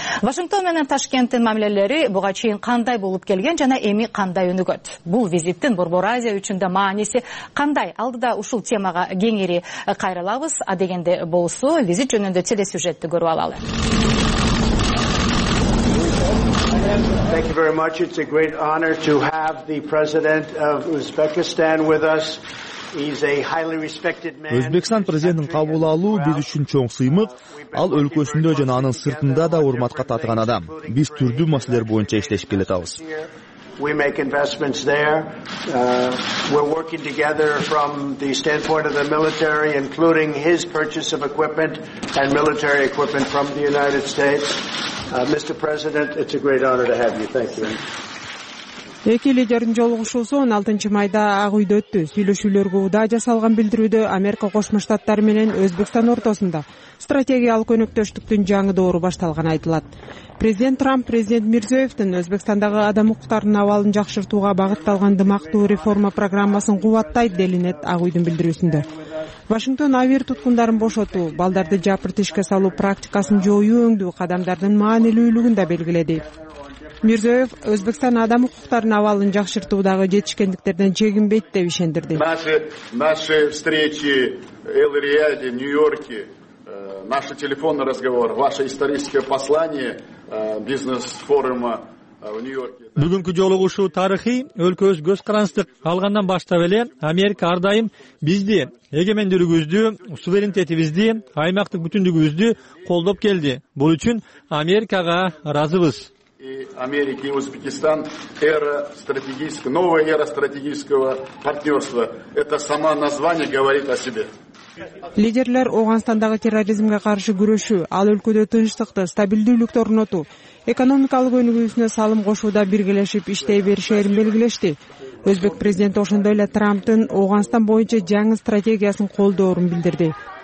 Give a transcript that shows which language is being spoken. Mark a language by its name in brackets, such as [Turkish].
[Kyrgyz] Вашингтон менен Ташкенттин мамилелери буга чейин кандай болуп келген жана эми кандай өнүгөт? Бул визиттин Борбор Азия үчүн да мааниси кандай? Алдыда ушул темага кеңири кайрылабыз, а дегенде болсо визит жөнүндө телесюжетти көрүп алалы. [English] Thank you very much. It's a great honor to have the president of Uzbekistan with us. [Kyrgyz] Өзбекстан президентин кабыл алуу биз үчүн чоң сыймык, ал өлкөсүндө жана анын сыртында да урматка татыган адам. Биз түрдүү маселелер боюнча иштешип келе жатабыз. [English] We make investments there. We're working together from the standpoint of the military, including his purchase of equipment and military equipment from the United States. Mr. President, it's a great honor to have you. Thank you. [Kyrgyz] Эки лидердин жолугушуусу 16 майда Ак Үйдө өттү. Сүйлөшүүлөргө ууда жасалган билдирүүдө Америка Кошмо Штаттары менен Өзбекстан ортосунда стратегиялык өнөктөштүктүн жаңы доору башталганы айтылат. Президент Трамп президент Мирзиёевдин Өзбекстандагы адам укуктарынын абалын жакшыртууга багытталган дымактуу реформа программасын кубаттайт делинет Ак Үйдүн билдирүүсүндө. Вашингтон АВИР туткундарын бошотуу, балдарды жапырт ишке салуу практикасын жоюу өңдүү кадамдардын маанилүүлүгүн да белгиледи. Мирзиёев Өзбекстан адам укуктарынын абалын жакшыртуудагы жетишкендиктерден чегинбейт деп ишендирди. [Russian] Наши встречи в Эл-Рияде, Нью-Йорке, наш телефонный разговор, ваше историческое послание бизнес-форума в Нью-Йорке. [Kyrgyz] Бүгүнкү жолугушуу тарыхый, өлкөбүз көз карандык алгандан баштап эле Америка ар дайым бизди, эгемендүүлүгүбүздү, суверенитетибизди, аймактык бүтүндүгүбүздү колдоп келди. Бул үчүн Америкага ыраазыбыз. [Russian] И Америки и Узбекистан эра стратегического, новая эра стратегического партнерства. Это само название говорит о себе. [Kyrgyz] Лидерлер Ооганстандагы терроризмге каршы күрөшүү, ал өлкөдө тынчтыкты, стабилдүүлүктү орнотуу, экономикалык өнүгүүсүнө салым кошууда биргелешип иштей беришерин белгилешти. Өзбек президенти ошондой эле Трамптын Ооганстан боюнча жаңы стратегиясын колдоорун билдирди.